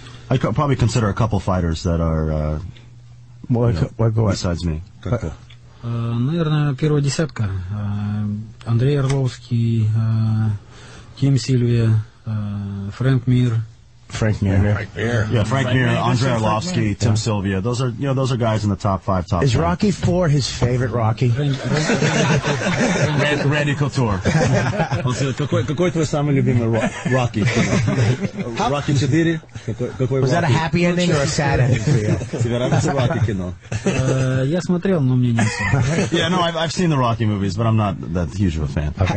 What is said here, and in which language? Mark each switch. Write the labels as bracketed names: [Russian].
[English] I could probably consider a couple fighters that are besides me. [Russian] Наверное, первая десятка. Андрей Орловский, Ким Сильвия, Фрэнк Мир. [English] Frank Mir. Frank Mir, Andrei Arlovsky, Tim Sylvia. Those are guys in the top five. Is Rocky IV his favorite Rocky? Randy Couture. [Russian] Какой твой самый любимый Rocky? [English] Rocky IV? Was that a happy ending or a sad ending for you? [Russian] Тебе нравится Rocky кино? Я смотрел, но мне не все. [English] Yeah, no, I've seen the Rocky movies, but I'm not that huge of a fан.